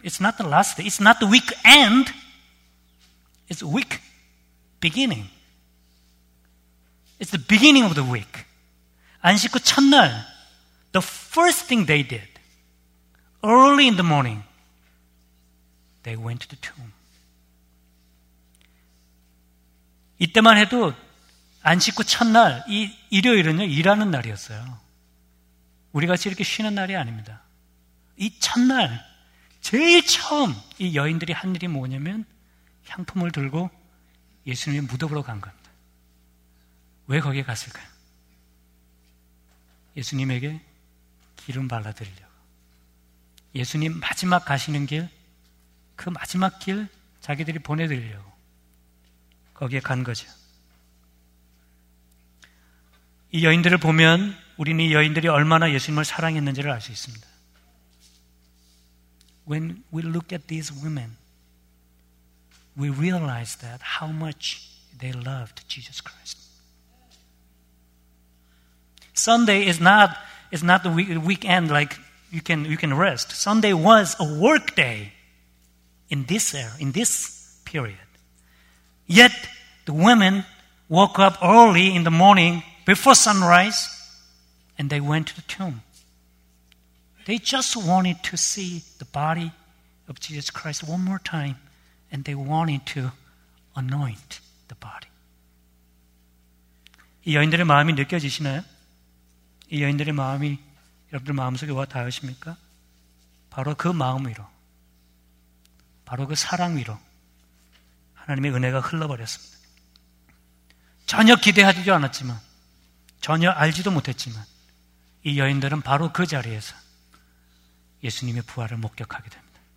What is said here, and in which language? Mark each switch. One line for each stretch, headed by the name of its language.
English: It's not the last day. It's not the week end. It's week beginning. It's the beginning of the week.
Korean: 안식 후 첫날,
English: the first thing they did, early in the morning, they went to the tomb.
Korean: 이때만 해도 안식 후 첫날, 이 일요일은요, 일하는 날이었어요. 우리 같이 이렇게 쉬는 날이 아닙니다. 이 첫날, 제일 처음 이 여인들이 한 일이 뭐냐면 향품을 들고 예수님의 무덤으로 간 겁니다. 왜 거기에 갔을까요? 예수님에게 기름 발라드리려고. 예수님 마지막 가시는 길, 그 마지막 길 자기들이 보내드리려고 거기에 간 거죠. 이 여인들을 보면 우리는 이 여인들이 얼마나 예수님을 사랑했는지를 알 수 있습니다.
English: When we look at these women, we realize that how much they loved Jesus Christ. Sunday is not the weekend like you can rest. Sunday was a work day in this era, in this period. Yet the women woke up early in the morning before sunrise and they went to the tomb. They just wanted to see the body of Jesus Christ one more time and they wanted to anoint the body.
Korean: 이 여인들의 마음이 느껴지시나요? 이 여인들의 마음이 여러분들 마음속에 와 닿으십니까? 바로 그 마음 위로, 바로 그 사랑 위로 하나님의 은혜가 흘러버렸습니다. 전혀 기대하지도 않았지만, 전혀 알지도 못했지만 이 여인들은 바로 그 자리에서 예수님의 부활을 목격하게 됩니다.